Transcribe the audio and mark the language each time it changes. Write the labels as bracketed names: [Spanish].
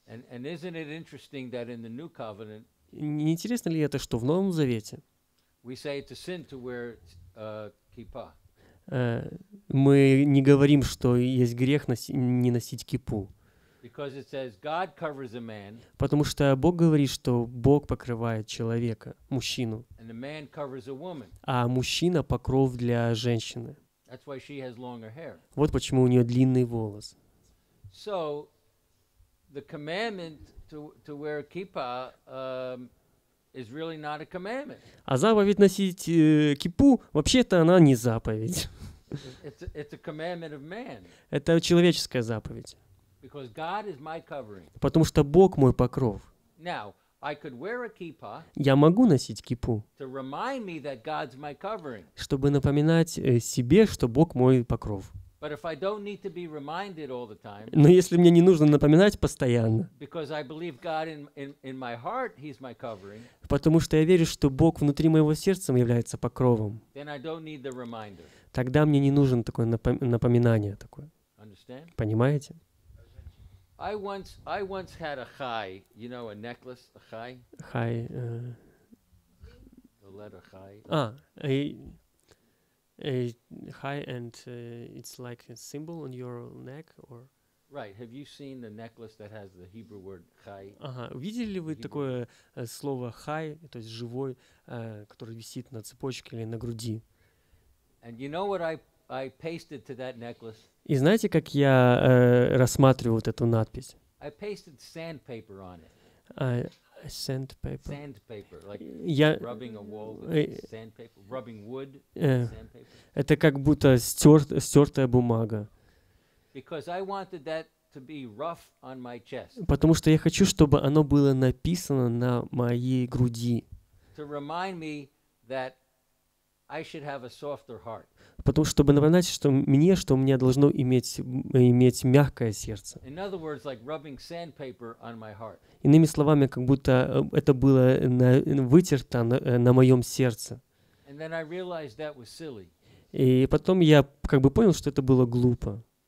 [English] And isn't it interesting that in the New Covenant, [Russian] не интересно ли это, что в Новом Завете [English] we say it's a sin to wear kippah. [Russian] Мы не говорим, что есть грех не носить кипу. [English] Because it says God covers a man, [Russian] потому что Бог говорит, что Бог покрывает человека, мужчину. [English] And the man covers a woman. [Russian] А мужчина – покров для женщины. [English] That's why she has longer hair. [Russian] Вот почему у нее длинный волос. [English] So, the commandment to wear a kippah, is really not a commandment. [Russian] А заповедь носить кипу – вообще-то она не заповедь. [English] It's a commandment of man. [Russian] Это человеческая заповедь. [English] Because God is my covering. [Russian] Потому что Бог мой покров. [English] Now, I could wear a kippah, [Russian] я могу носить кипу, [English] to remind me that God's my covering. [Russian] Чтобы напоминать себе, что Бог мой покров. [English] But if I don't need to be reminded all the time, [Russian] но если мне не нужно напоминать постоянно, [English] because I believe God in my heart, he's my covering, [Russian] потому что я верю, что Бог внутри моего сердца является покровом, [English] then I don't need the reminder. [Russian] Тогда мне не нужен такое напоминание такое. [English] Understand? [Russian] Понимаете? [English] I once had a chai, you know, a necklace, a chai. Chai. The letter chai. Chai, and it's like a symbol on your neck, or. Right. Have you seen the necklace that has the Hebrew word chai? [Russian] Видели ли вы такое слово chai, то есть живой, который висит на цепочке или на груди? [English] And you know what I pasted to that necklace. [Russian] И знаете, как я рассматриваю вот эту надпись? [English] I pasted sandpaper on it. Sandpaper. Sandpaper, like rubbing a wall with sandpaper, rubbing wood sandpaper. [Russian] Это как будто стертая бумага. [English] Because I wanted that to be rough on my chest. [Russian] Потому что я хочу, чтобы оно было написано на моей груди. [English] To remind me that I should have a softer heart. [Russian] Потому что, чтобы напоминать, что мне, что у меня должно иметь мягкое сердце. [English] In other words, like rubbing sandpaper on my heart. [Russian] Иными словами, как будто это было вытерто на моем сердце. [English] And then I realized that was silly. [Russian] И потом я как бы понял, что это было глупо.